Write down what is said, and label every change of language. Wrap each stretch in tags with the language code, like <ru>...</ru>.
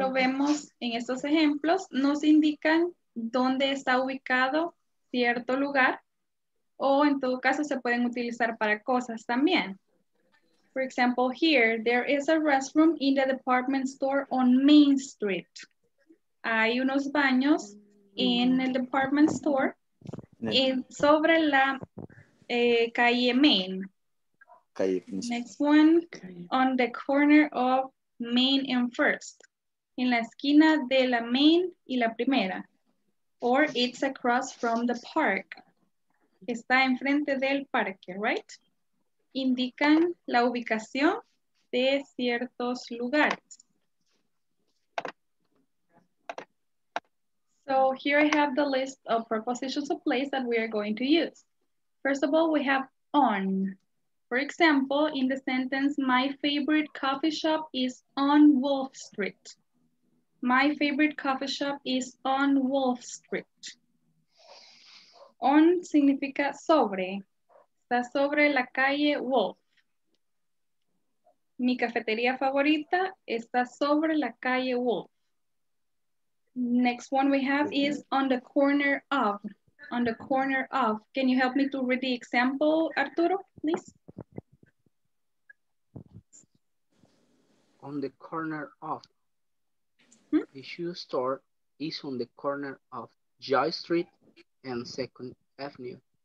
<es>Como lo vemos en estos ejemplos, nos indican dónde está ubicado cierto lugar, o en todo caso se pueden utilizar para cosas también.</es> <en>For example, here, there is a restroom in the department store on Main Street.</en> <es>Hay unos baños en el department store, en sobre la calle Main. Calle.</es> <en>Next one, on the corner of Main and First.</en> <es>En la esquina de la Main y la Primera.</es> <en>Or it's across from the park.</en> <es>Está enfrente del parque,</es> <en>right?</en> <es>Indican la ubicación de ciertos lugares.</es> <en>So here I have the list of prepositions of place that we are going to use. First of all, we have on. For example, in the sentence, my favorite coffee shop is on Wolf Street. My favorite coffee shop is on Wolf Street.</en> <es>On significa sobre. Está sobre la calle Wolf. Mi cafetería favorita está sobre la calle Wolf.</es> <en>Next one we have is on the corner of. On the corner of. Can you help me to read the example, Arturo, please? On the corner of. The shoe store is on the corner of Joy Street and 2nd Avenue.</en>